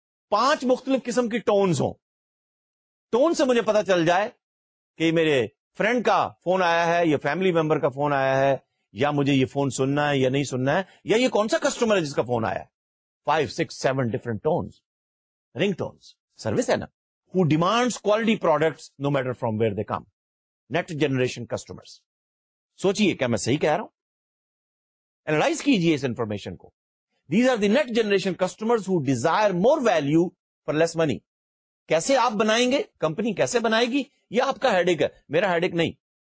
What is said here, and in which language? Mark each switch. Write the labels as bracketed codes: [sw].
[ur] پانچ مختلف قسم کی ٹونز ہوں, ٹون سے مجھے پتا چل جائے کہ میرے فرینڈ کا فون آیا ہے یا فیملی ممبر کا فون آیا ہے, یا مجھے یہ فون سننا ہے یا نہیں سننا ہے, یا یہ کون سا کسٹمر ہے جس کا فون آیا ہے. 5-6-7 ڈفرنٹ ٹونز, رنگ ٹونز, سروس ہے نا. [en] Who demands quality products no matter from where they come. Next generation customers. [ur] سوچیے کیا میں صحیح کہہ رہا ہوں, اینالائز کیجئے اس انفارمیشن کو. [en] These are the next generation customers who desire more value for less money. [ur] کیسے آپ بنائیں گے, کمپنی کیسے بنائے گی, یہ آپ کا ہیڈیک ہے, میرا ہیڈیک نہیں.